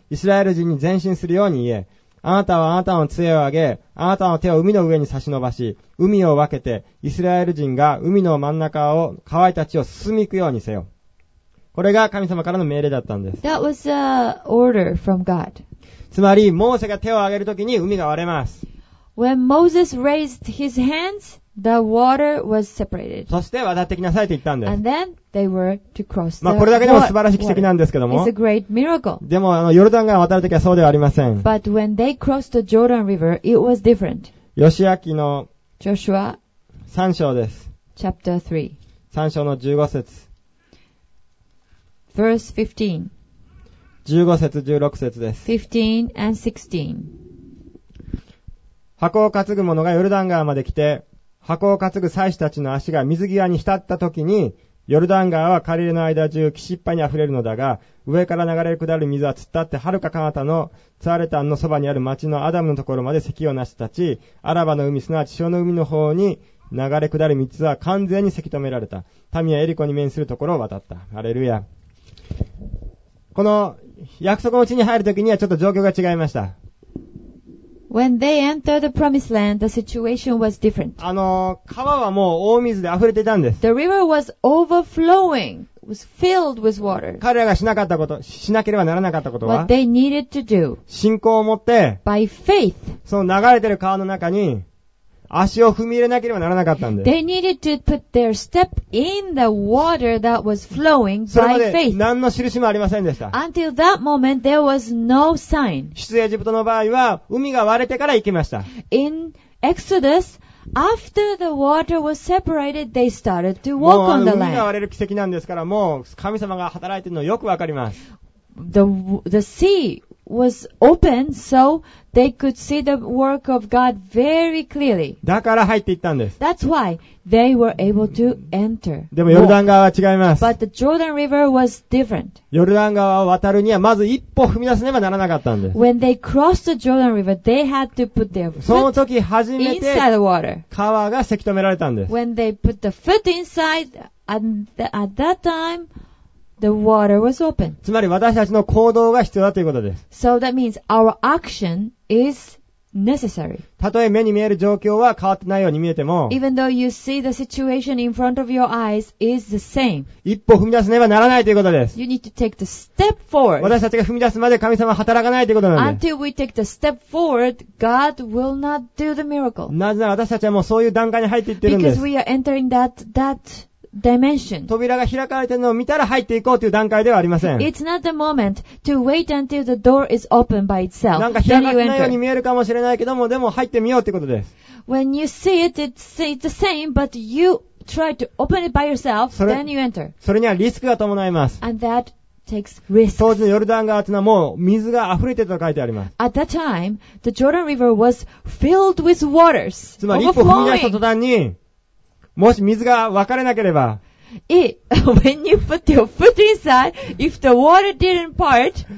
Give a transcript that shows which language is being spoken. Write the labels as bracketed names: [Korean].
[Japanese] イスラエル人に前進するように言え。あなたはあなたの杖を上げ、あなたの手を海の上に差し伸ばし、海を分けて、イスラエル人が海の真ん中を、乾いた地を進み行くようにせよ。これが神様からの命令だったんです。 [English] That was a order from God. [Japanese] つまり、モーセが手を上げるときに海が割れます。 [English] When Moses raised his hands,The water was separated. [Japanese] そして渡ってきなさいと言ったんです。 [English] And then they were to cross the [Japanese] まあこれだけでも素晴らしい奇跡なんですけども。 [English] It's a great miracle. [Japanese] でもあのヨルダン川を渡るときはそうではありません。 [English] But when they crossed the Jordan River, it was different. [Japanese] ヨシア記の [English] Joshua [Japanese] 3章です。 [English] Chapter [Japanese] 3章の15節。 [English] Verse [Japanese] 15. 15節16節です。 [English] 15 and 16. [Japanese] 箱を担ぐ者がヨルダン川まで来て、箱を担ぐ祭司たちの足が水際に浸った時に、ヨルダン川は彼らの間中岸いっぱいに溢れるのだが、上から流れ下る水は突っ立って遥か彼方のツァレタンのそばにある町のアダムのところまで堰をなし立ち、アラバの海すなわち潮の海の方に流れ下る水は完全に堰止められた。民はエリコに面するところを渡った。アレルヤ。この約束の地に入る時にはちょっと状況が違いました。 [English] When they entered the promised land, the situation was different. [Japanese] あの、川はもう大水で溢れていたんです。 [English] The river was overflowing, was filled with water. [Japanese] 彼らがしなかったこと、しなければならなかったことは、 [English] What they needed to do, [Japanese] 信仰を持って、 [English] by faith, [Japanese] その流れている川の中に、足を踏み入れなければならなかったんです。 [English] They needed to put their step in the water that was flowing by faith. [Japanese] それまで何の印もありませんでした。 [English] Until that moment, there was no sign. [Japanese] 出エジプトの場合は、海が割れてから行きました。 [English] In Exodus, after the water was separated, they started to walk on the land. [Japanese] 海が割れる奇跡なんですから、もう神様が働いているのよくわかります。 [English] The sea was open, so they could see the work of God very clearly. [Japanese] だから入っていったんです。 [English] That's why they were able to enter. [Japanese] でもヨルダン川は違います。 [English] But the Jordan River was different. [Japanese] ヨルダン川を渡るにはまず一歩踏み出せねばならなかったんです。 [English] When they crossed the Jordan River, they had to put their foot inside the water. [Japanese] その時初めて川が堰止められたんです。 [English] When they put the foot inside, at that time,The water was open. [Japanese] つまり私たちの行動が必要だということです。 [English] So that means our action is necessary. [Japanese] たとえ目に見える状況は変わってないように見えても、 [English] Even though you see the situation in front of your eyes is the same. [Japanese] 一歩踏み出せねばならないということです。 [English] You need to take the step forward. [Japanese] 私たちが踏み出すまで神様は働かないということなんです。 [English] Until we take the step forward, God will not do the miracle. [Japanese] なぜなら私たちはもうそういう段階に入っていってるんです。 [English] Because we are entering that Dimension. [Japanese] 扉が開かれているのを見たら入っていこうという段階ではありません。 [English] It's not the moment to wait until the door is open by itself. [Japanese] なんか開かれないように見えるかもしれないけども、でも入ってみようということです。 [English] When you see it, it's the same, but you try to open it by yourself, then you enter. [Japanese] それにはリスクが伴います。 [English] And that takes risks. [Japanese] 当時のヨルダン川というのはもう水が溢れてたと書いてあります。 [English] At that time, the Jordan River was filled with waters. [Japanese] つまり一歩踏み出した途端に、もし水が分かれなければ、 [English] when you put your foot inside, if the water didn't part,